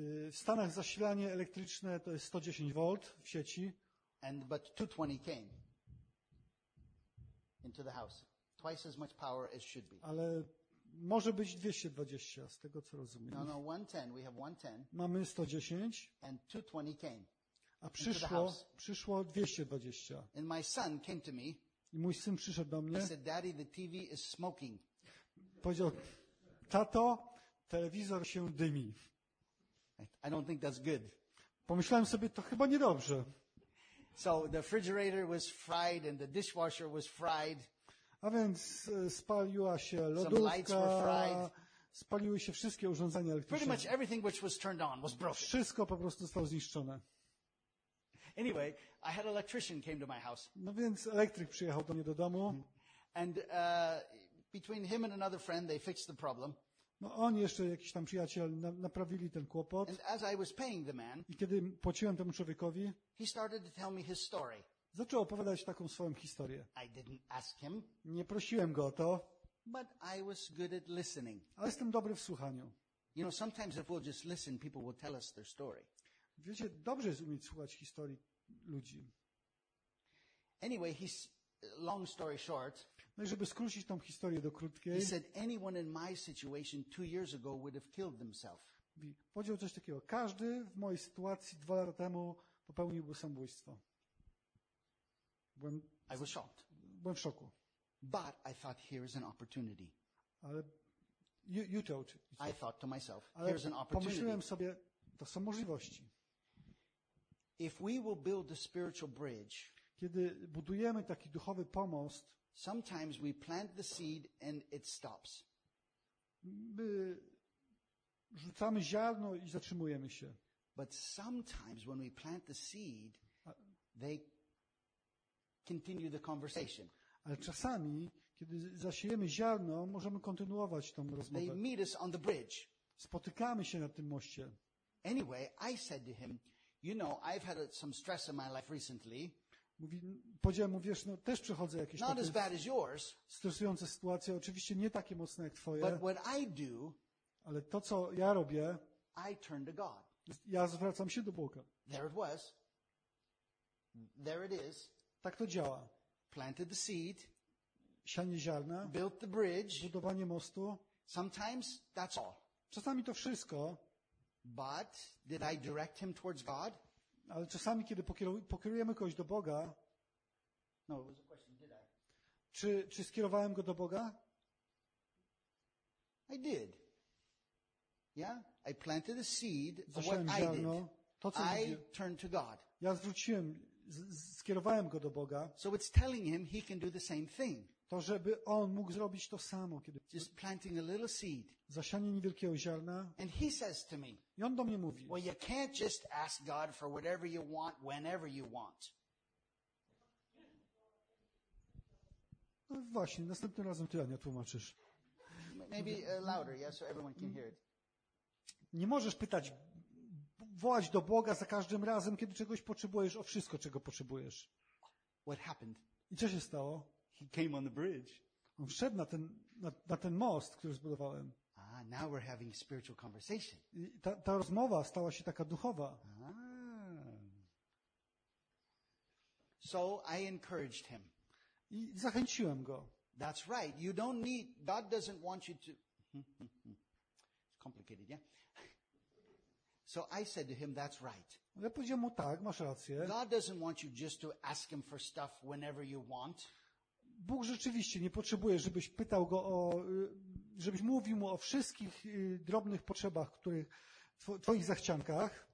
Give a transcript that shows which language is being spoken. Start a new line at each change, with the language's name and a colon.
Polish: W Stanach zasilanie elektryczne to jest 110 V w sieci.
English: And but 220 came into the house. Twice as much power as should be.
Polish: Ale może być 220 z tego co rozumiem.
English: No, 110, we have 110.
Polish: Mamy 110.
English: And 220 came.
Polish: A przyszło 220.
English: And my son came to me.
Polish: I mój syn przyszedł do mnie.
English: He said, "Daddy, the TV is smoking."
Polish: Powiedział, tato, telewizor się dymi.
English: I don't think that's good.
Polish: Pomyślałem sobie, to chyba niedobrze.
English: So the refrigerator was fried and the dishwasher was fried.
Polish: A więc spaliła się lodówka. Spaliły się wszystkie urządzenia elektryczne.
English: Pretty much everything which was turned on was broken.
Polish: Wszystko po prostu zostało zniszczone.
English: Anyway, I had an electrician came to my house.
Polish: No więc elektryk przyjechał do mnie do domu.
English: And between him and another friend, they fixed the problem.
Polish: No on jeszcze jakiś tam przyjaciel naprawili ten kłopot.
English: And as I was paying the man,
Polish: i kiedy płaciłem temu człowiekowi,
English: he started to tell me his story.
Polish: Zaczął opowiadać taką swoją historię.
English: I didn't ask him.
Polish: Nie prosiłem go o to.
English: But I was good at listening.
Polish: Ale jestem dobry w słuchaniu.
English: You know, sometimes if we'll just listen, people will tell us their story.
Polish: Wiecie, dobrze jest umieć słuchać historii ludzi.
English: Anyway, he's long story short.
Polish: No i żeby skrócić tą historię do krótkiej.
English: He said anyone in my situation 2 years ago would have killed themselves.
Polish: Powiedział coś takiego: każdy w mojej sytuacji 2 lata temu popełniłby samobójstwo.
English: I was shocked.
Polish: Byłem w szoku.
English: But I thought here is an opportunity. Ale you told. I thought to myself, here is an opportunity.
Polish: Pomyślałem sobie, to są możliwości.
English: If we will build the spiritual bridge,
Polish: kiedy budujemy taki duchowy pomost,
English: sometimes we plant the seed and it stops.
Polish: My rzucamy ziarno i zatrzymujemy się.
English: But sometimes when we plant the seed, they continue the conversation.
Polish: Ale czasami, kiedy zasiejemy ziarno, możemy kontynuować tą rozmowę.
English: They meet us on the bridge.
Polish: Spotykamy się na tym moście.
English: Anyway, I said to him, you know, I've had some stress in my life recently.
Polish: Powiedziałem mu, wiesz, no też przechodzę jakieś
English: not as bad as yours,
Polish: stresujące sytuacje, oczywiście nie takie mocne jak twoje,
English: but what I do,
Polish: ale to, co ja robię,
English: I turn to God.
Polish: Ja zwracam się do Boga.
English: There it was. There it is.
Polish: Tak to działa.
English: Planted the seed,
Polish: sianie ziarna,
English: built the bridge,
Polish: budowanie mostu.
English: Sometimes that's all.
Polish: Czasami to wszystko.
English: But did I direct him towards God?
Polish: Ale czasami, kiedy pokierujemy kogoś do Boga,
English: no, it was a question, did I?
Polish: Czy skierowałem go do Boga?
English: I did. Yeah? I planted a seed.
Polish: Zasiałem
English: what
Polish: ziarno,
English: I did.
Polish: To, co
English: I turned to God.
Polish: Ja zwróciłem, skierowałem go do Boga.
English: So it's telling him he can do the same thing.
Polish: To, żeby on mógł zrobić to samo, kiedy
English: just planting a little seed.
Polish: Zasianie niewielkiego ziarna.
English: And he says to me,
Polish: i on do mnie mówi,
English: well, you can't just ask God for whatever you want, whenever you want.
Polish: No właśnie, następnym razem ty, Ania, tłumaczysz.
English: Maybe louder, yeah, so everyone can hear it.
Polish: Nie możesz pytać, wołać do Boga za każdym razem, kiedy czegoś potrzebujesz, o wszystko, czego potrzebujesz.
English: What happened?
Polish: I co się stało?
English: He came on the bridge.
Polish: On wszedł na ten most, który zbudowałem.
English: Ah, now we're having spiritual conversation.
Polish: Ta rozmowa stała się taka duchowa.
English: So I encouraged him.
Polish: I zachęciłem go.
English: That's right. You don't need. God doesn't want you to. It's complicated, yeah. So I said to him, that's right.
Polish: Ja powiedziałem mu, tak, masz rację.
English: God doesn't want you just to ask him for stuff whenever you want.
Polish: Bóg rzeczywiście nie potrzebuje, żebyś pytał go o, żebyś mówił mu o wszystkich drobnych potrzebach, których, twoich zachciankach.